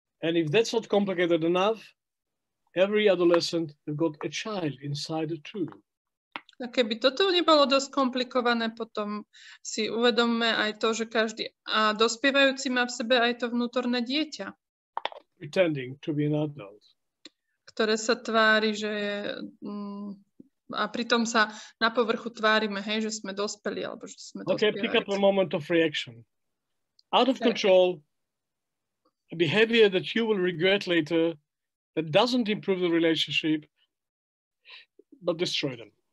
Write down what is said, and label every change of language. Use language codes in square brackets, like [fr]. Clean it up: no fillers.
[en] And if that's not complicated enough, every adolescent has got a child inside too. [sk] A keby toto nebolo dosť komplikované, potom si uvedomme aj to, že každý dospievajúci má v sebe aj to vnútorné dieťa. [en] Pretending to be an adult. [sk] Ktoré sa tvári, že je, a pritom sa na povrchu tvárime, hej, že sme dospeli, alebo že sme dospievajúci. [en] Okay, pick up a moment of reaction. Out of control, a behavior that you will regret later, that doesn't improve the relationship, but destroy them.